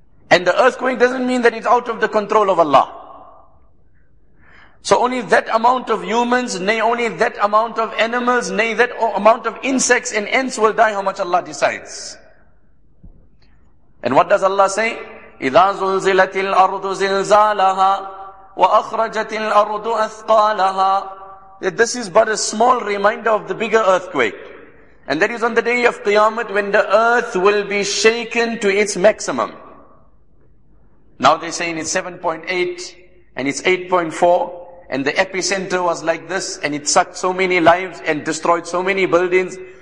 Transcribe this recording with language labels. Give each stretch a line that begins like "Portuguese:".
English: And the earthquake doesn't mean that it's out of the control of Allah. So only that amount of humans, nay only that amount of animals, nay that amount of insects and ants will die, how much Allah decides. And what does Allah say?
Arabic: إذا زلزلت الأرض زلزالها وأخرجت الأرض أثقالها.
English: This is but a small reminder of the bigger earthquake. And that is on the day of Qiyamah when the earth will be shaken to its maximum. Now they're saying it's 7.8 and it's 8.4 and the epicenter was like this and it sucked so many lives and destroyed so many buildings.